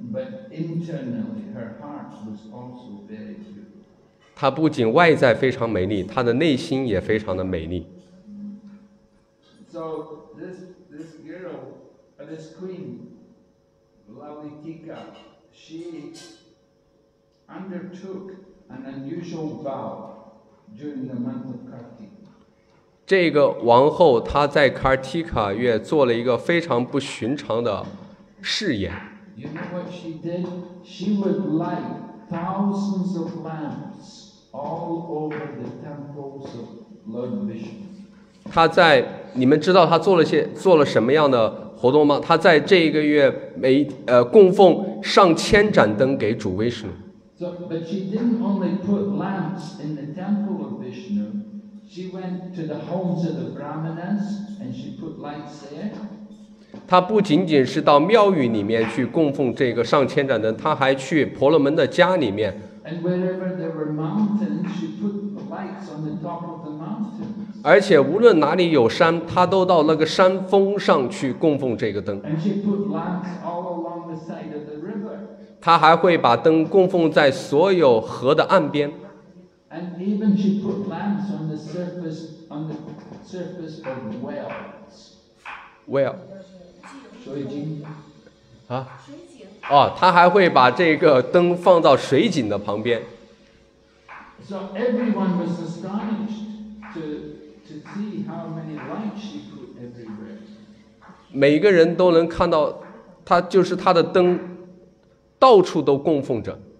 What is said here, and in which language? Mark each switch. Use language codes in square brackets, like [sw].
[en] But internally, her heart was also very beautiful. [zh] 她不仅外在非常美丽，她的内心也非常的美丽。 [en] So this girl, this queen, Lalitika, she undertook an unusual vow during the month of Kartika. [zh] 这个王后她在 Kartika 月做了一个非常不寻常的誓言。 [en] You know what she did? She would light thousands of lamps all over the temples of Lord Vishnu. [zh] 她在你们知道她做了什么样的活动吗？她在这一个月供奉上千盏灯给主 Vishnu. [en] So, but she didn't only put lamps in the temple of Vishnu. She went to the homes of the Brahmanas and she put lights there. [zh] 他不仅仅是到庙宇里面去供奉这个上千盏灯，他还去婆罗门的家里面。 [en] And wherever there were mountains, she put lights on the top of the mountains. [zh] 而且无论哪里有山，他都到那个山峰上去供奉这个灯。 [en] And she put lamps all along the side of the river. [zh] 他还会把灯供奉在所有河的岸边。 [en] And even she put lamps on the surface of wells. Well. [zh] 水井啊，水井哦，他还会把这个灯放到水井的旁边。 [en] So everyone was astonished to see how many lights she put everywhere. [zh] 每个人都能看到他，就是他的灯到处都供奉着。